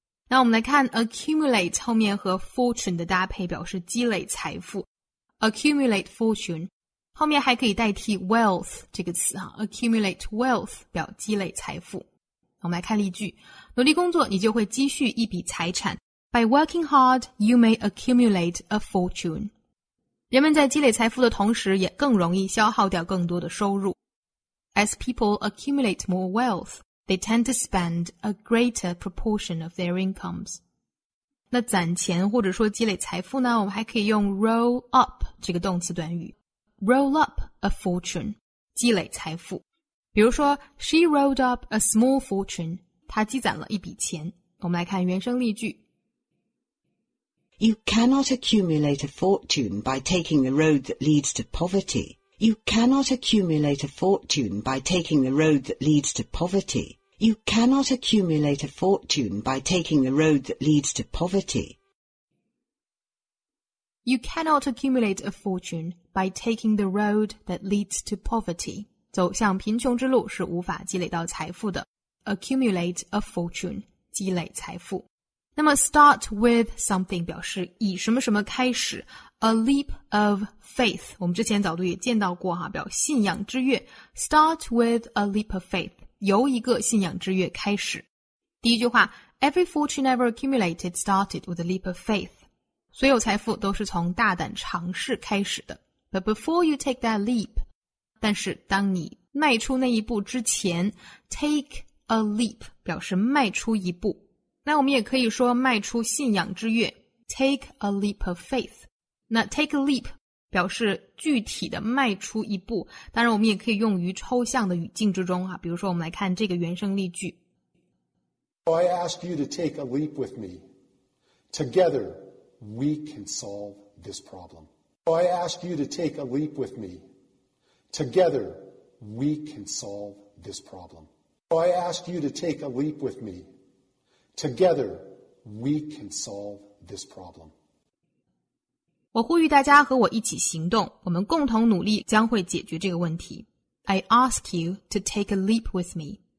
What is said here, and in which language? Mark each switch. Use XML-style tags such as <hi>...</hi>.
<zh>那我们来看 accumulate 后面和 fortune 的搭配，表示积累财富。 accumulate fortune 后面还可以代替 wealth 这个词啊 ，accumulate wealth 表积累财富。我们来看例句：努力工作，你就会积蓄一笔财产。</zh> <en>By working hard, you may accumulate a fortune.</en> <zh>人们在积累财富的同时，也更容易消耗掉更多的收入。</zh> <en>As people accumulate more wealth. They tend to spend a greater proportion of their incomes.</en> <zh>那攒钱或者说积累财富呢，我们还可以用 roll up 这个动词短语。</zh> <en>Roll up a fortune,</en> <zh>积累财富。比如说</zh> <en>she rolled up a small fortune,</en> <zh>她积攒了一笔钱。我们来看原声例句。</zh> <en>You cannot accumulate a fortune by taking the road that leads to poverty. You cannot accumulate a fortune by taking the road that leads to poverty. You cannot accumulate a fortune by taking the road that leads to poverty. You cannot accumulate a fortune by taking the road that leads to poverty.</en> <zh>走向贫穷之路是无法积累到财富的。</zh> <en>Accumulate a fortune,</en> <zh>积累财富。那么</zh> <en>start with something</en> <zh>表示以什么什么开始。</zh> <en>A leap of faith,</en> <zh>我们之前早读也见到过哈，表信仰之跃。</zh> <en>Start with a leap of faith,</en> <zh>由一个信仰之跃开始。第一句话</zh> <en>,Every fortune ever accumulated started with a leap of faith.</en> <zh>所有财富都是从大胆尝试开始的。</zh> <en>But before you take that leap,</en> <zh>但是当你迈出那一步之前</zh> <en>,take a leap,</en> <zh>表示迈出一步。那我们也可以说迈出信仰之跃 ,</zh> <en>take a leap of faith.</en> <zh>那</zh> <en>take a leap</en> <zh>表示具体的迈出一步，当然我们也可以用于抽象的语境之中啊。比如说我们来看这个原声例句。</zh> <en>I asked you to take a leap with me. Together, we can solve this problem. I asked you to take a leap with me. Together, we can solve this problem. I asked you to take a leap with me. Together, we can solve this problem.</en> <zh>我呼吁大家和我一起行动，我们共同努力将会解决这个问题。</zh> <en>I ask you to take a leap with me.</en>